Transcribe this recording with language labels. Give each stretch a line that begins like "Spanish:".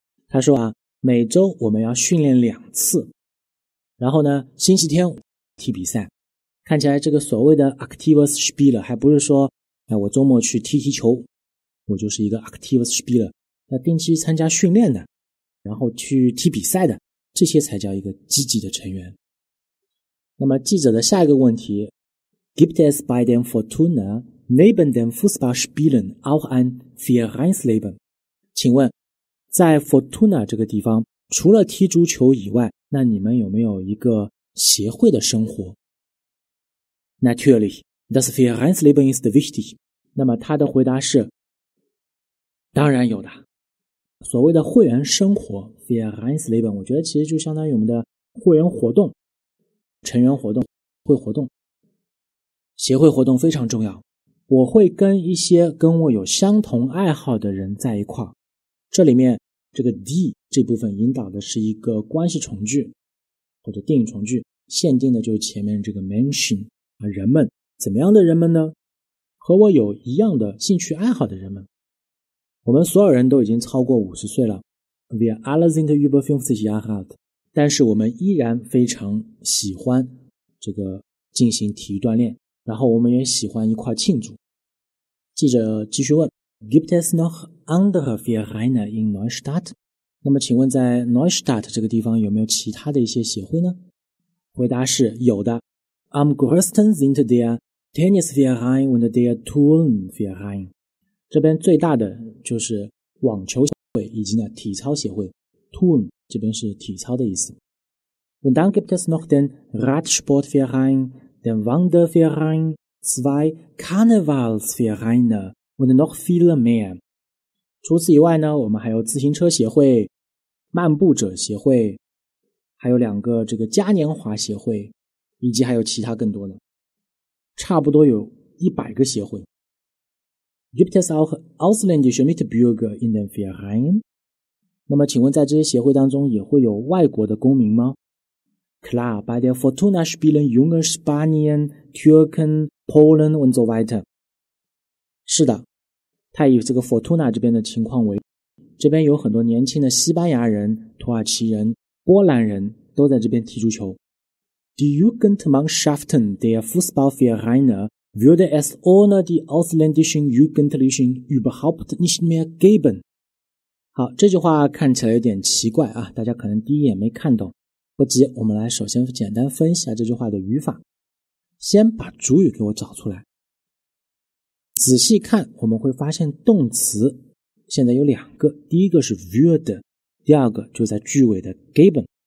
Chinese: 他说啊，每周我们要训练两次，然后呢，星期天踢比赛。看起来这个所谓的 aktives Spieler 还不是说，哎，我周末去踢踢球，我就是一个 aktives Spieler， 那定期参加训练的，然后去踢比赛的，这些才叫一个积极的成员。那么记者的下一个问题，
German: Gibt es bei den Fortuna neben den Fußballspielen auch ein Vereinsleben？
Chinese: 请问在 Fortuna 这个地方除了踢足球以外，那你们有没有一个协会的生活？
German: Natürlich, das Vereinsleben ist wichtig。
Chinese: 那么他的回答是，当然有的。所谓的会员生活 Vereinsleben， 我觉得其实就相当于我们的会员活动、成员活动、会活动、协会活动非常重要。我会跟一些跟我有相同爱好的人在一块，这里面这个 D 这部分引导的是一个关系从句或者定语从句，限定的就是前面这个 mention 啊，人们，怎么样的人们呢？和我有一样的兴趣爱好的人们。我们所有人都已经超过50岁了，
German: Wir alle sind über 50 Jahre alt，
Chinese: 但是我们依然非常喜欢这个进行体育锻炼，然后我们也喜欢一块庆祝。记者继续问，
German: Gibt es noch andere Vereine in Neustadt？
Chinese: 那么请问在 Neustadt 这个地方有没有其他的一些协会呢？回答是有的。
German: Am größten sind der Tennisverein und der Turnverein。
Chinese: 这边最大的就是网球协会以及呢体操协会， Turn 这边是体操的意思。
German: Und dann gibt es noch den Radsportverein, den Wanderverein, zwei Karnevalsvereine und noch viel mehr。
Chinese: 除此以外呢，我们还有自行车协会、漫步者协会，还有两个这个嘉年华协会，以及还有其他更多的，差不多有100个协会。
German: Gibt es auch ausländische Mitbürger in den Vereinen？
Chinese: 那么请问在这些协会当中也会有外国的公民吗？
German: Klar, bei der Fortuna spielen junge Spanien, Türken, Polen und so weiter。
Chinese: 是的，他以这个 Fortuna 这边的情况为，这边有很多年轻的西班牙人、土耳其人、波兰人都在这边踢足球。
German: Die Jugendmannschaften der Fußballvereine würde es ohne die ausländischen Jugendlichen überhaupt nicht mehr geben。
Chinese: 好，这句话看起来有点奇怪啊，大家可能第一眼没看懂。不急，我们来首先简单分析一下这句话的语法。先把主语给我找出来。仔细看，我们会发现动词现在有两个，第一个是 würde， 第二个就在句尾的 geben。